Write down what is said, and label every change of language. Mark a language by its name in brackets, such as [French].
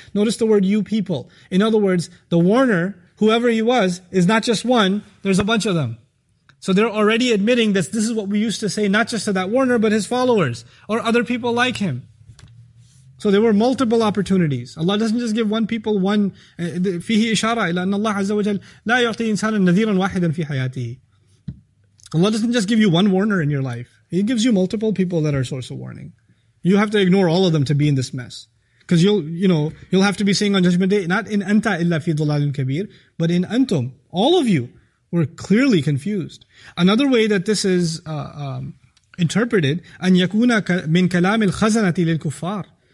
[English] Notice the word you people. In other words, the warner, whoever he was, is not just one, there's a bunch of them. So they're already admitting that this is what we used to say, not just to that warner, but his followers, or other people like him. So there were multiple opportunities. Allah doesn't just give one people one. [Arabic] فيه إشارة إلى أن الله عز وجل لا يعطي إنسانا نذيرا واحدا في حياته. [English] Allah doesn't just give you one warner in your life. He gives you multiple people that are a source of warning. You have to ignore all of them to be in this mess. Because you'll have to be saying on Judgment Day, not [Arabic] in anta illa fi dhalalin kabir, [English] but in antum. All of you were clearly confused. Another way that this is interpreted, [Arabic] أن يكون من كلام الخزنة للكفار.